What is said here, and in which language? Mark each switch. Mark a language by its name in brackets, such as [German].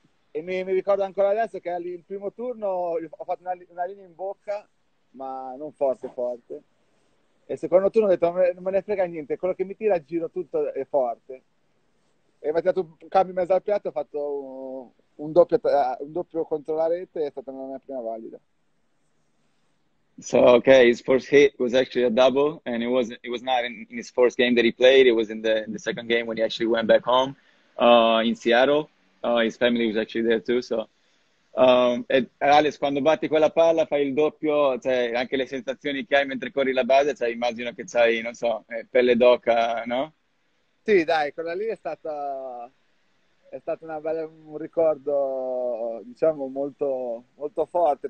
[Italian] E mi ricordo ancora adesso che al primo turno ho fatto una linea in bocca, ma non forte forte. E il secondo turno ho detto, non me ne frega niente, quello che mi tira giro tutto è forte. E mi ha dato un cambio in mezzo al piatto, ho fatto un doppio contro la rete e è stata la mia prima valida. [English] So, okay, his first hit was actually a double, and it was not in his first game that he played. It was in the second game when he actually went back home, in Seattle. His family was actually there too. So, [Italian] e Alex, quando batti quella palla, fai il doppio, cioè anche le sensazioni che hai mentre corri la base, cioè immagino che c'hai, non so, pelle d'oca, no? Sì, dai, quella lì è stato un ricordo, diciamo, molto, molto forte.